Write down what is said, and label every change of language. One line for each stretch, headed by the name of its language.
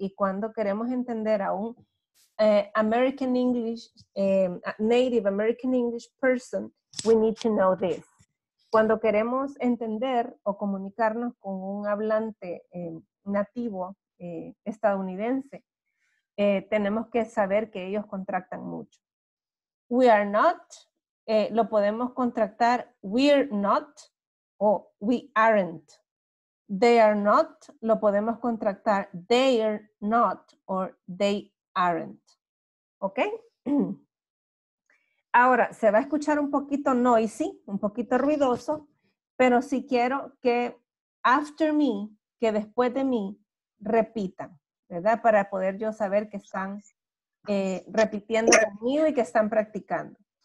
Spanish: Y cuando queremos entender a un
English: American English, Native American English person, we need to know this.
Spanish: Cuando queremos entender o comunicarnos con un hablante nativo estadounidense, tenemos que saber que ellos contractan mucho.
English: We are not,
Spanish: lo podemos contractar
English: we're not o we aren't. They are not,
Spanish: lo podemos contractar
English: they're not o they aren't.
Spanish: ¿Ok? Ahora, se va a escuchar un poquito noisy, un poquito ruidoso, pero sí quiero que
English: after me,
Spanish: que después de mí, repitan. ¿Verdad? Para poder yo saber que están repitiendo conmigo y que están practicando.